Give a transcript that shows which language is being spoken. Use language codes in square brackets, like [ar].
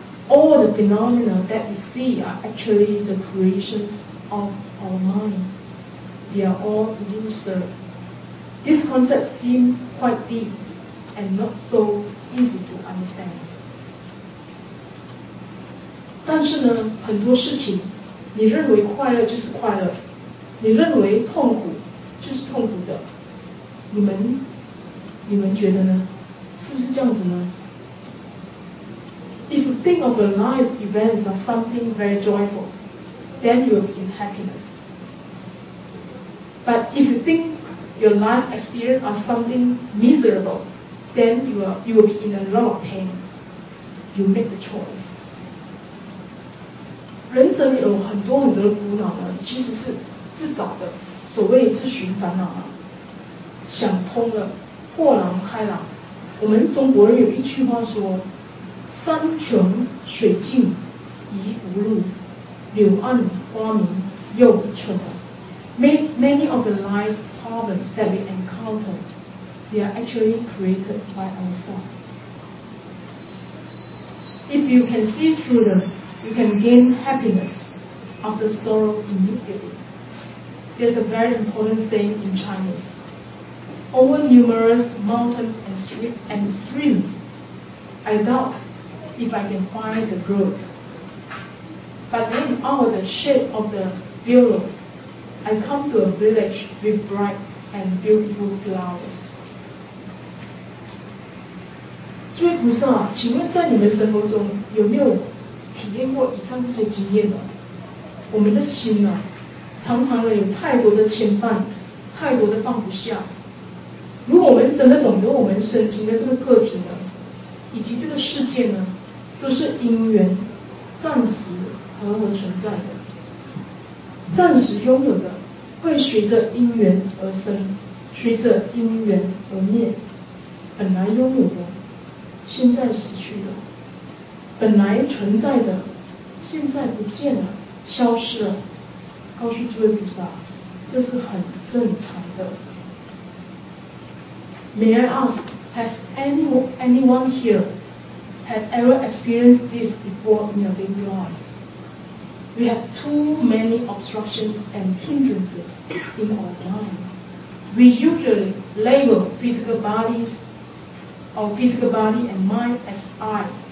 [en] All the phenomena that we see are actually the creations of our mind. They are all illusory. This concept seems quite deep and not so easy to understand. [zh] 但是呢，很多事情，你认为快乐就是快乐，你认为痛苦就是痛苦的。你们觉得呢？是不是这样子呢？ [en] If you think of your life events as something very joyful, then you will be in happiness. But if you thinkyour life experience are something miserable, then you will be in a lot of pain. You make the choice. [zh] 人生有很多很多的苦恼呢，其实是自找的，所谓自寻烦恼啊。想通了，豁然开朗。我们中国人有一句话说：“山穷水尽疑无路，柳暗花明又一村。” [en] Many of the life problems that we encounter, they are actually created by ourselves. If you can see through them, you can gain happiness after sorrow immediately. There's a very important saying in Chinese. Over numerous mountains and streams, I doubt if I can find the road. But then, out of the shade of the willow, I come to a village with bright and beautiful flowers. [zh] 诸位菩萨，请问在你们生活中有没有体验过以上这些经验呢？我们的心呢，常常有太多的牵绊，太多的放不下。如果我们真的懂得我们身心的这个个体呢，以及这个世界呢，都是因缘暂时合而存在的，暂时拥有的会随着因缘而生，随着因缘而灭。本来拥有的现在失去了，本来存在的现在不见了，消失了。告诉诸位菩萨，这是很正常的。 [en] May I ask, have anyone here had ever experienced this before in your daily life? We have too many obstructions and hindrances in our mind. We usually label physical body and mind as I.